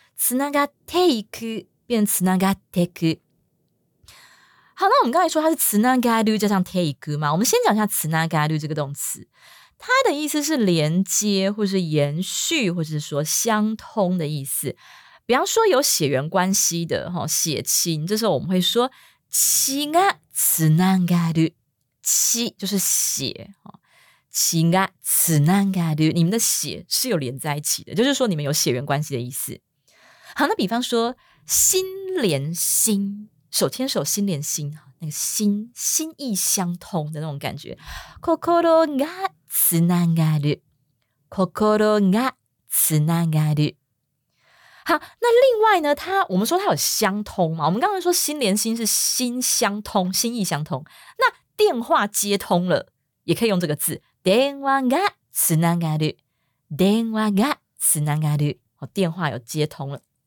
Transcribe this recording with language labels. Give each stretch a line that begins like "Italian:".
Japanese: つながっていく变つながっていく。
Chinese: 好，那我们刚才说它是つながる加上ていく嘛，我们先讲一下つながる这个动词。它的意思是连接或是延续或是说相通的意思，比方说有血缘关系的血亲，这时候我们会说
Japanese: 血がつながる，
Chinese: 血就是血，血がつながる，你们的血是有连在一起的，就是说你们有血缘关系的意思。好，那比方说心连心，手牵手心连心，那个心心意相通的那种感觉。
Japanese: 心がつながる，心がつながる。
Chinese: 好，那另外呢，它我们说它有相通嘛，我们刚刚说心连心是心相通，心意相通，那电话接通了也可以用这个字，
Japanese: 電話がつながる，電話がつながる，
Chinese: 电话有接通了。